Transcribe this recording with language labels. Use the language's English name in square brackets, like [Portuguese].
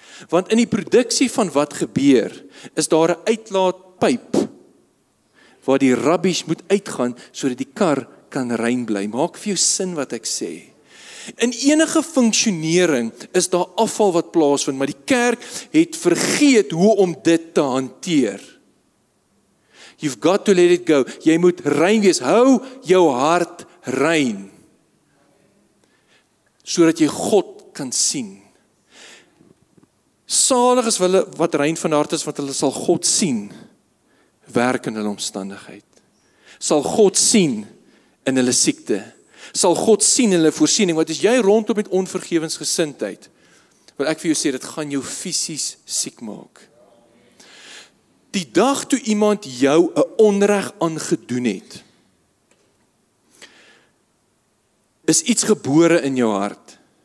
[Afrikaans] Want in die productie van wat gebeur, is daar een uitlaatpyp, waar die rubbish moet uitgaan, sodat die kar kan rein bly. Maak vir jou sin wat ek sê. In enige functionering is daar afval wat plaasvind, maar die kerk het vergeet hoe om dit te hanteer. [English] You've got to let it go. [Afrikaans] Jy moet rein wees. Hou jou hart rein. Sodat jy God kan sien. Salig is hulle wat rein van hart is, want hulle sal God sien. Werk in hulle omstandigheid. Sal God sien in hulle siekte. Sal God sien in hulle voorsiening. Wat is jy rondom met onvergevensgesindheid? Wat ek vir jou sê, dit gaan jou fisies siek maak. Die dag toe iemand jou een onreg aangedoen het, is iets gebore in jou hart.